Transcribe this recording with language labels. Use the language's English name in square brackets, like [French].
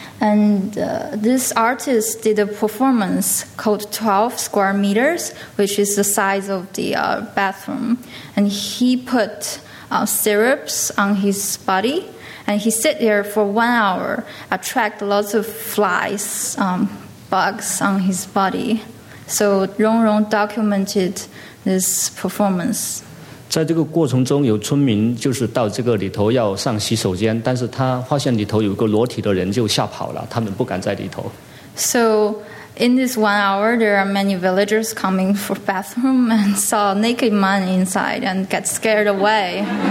[English] And this artist did a performance called 12 square meters, which is the size of the bathroom. And he put syrups on his body, and he sat there for 1 hour, attract lots of flies, bugs on his body. So Rong Rong documented this performance. [Chinese] 在这个过程中，有村民就是到这个里头要上洗手间，但是他发现里头有个裸体的人，就吓跑了，他们不敢在里头。 [English] So in this 1 hour, there are many villagers coming for bathroom and saw naked man inside and got scared away.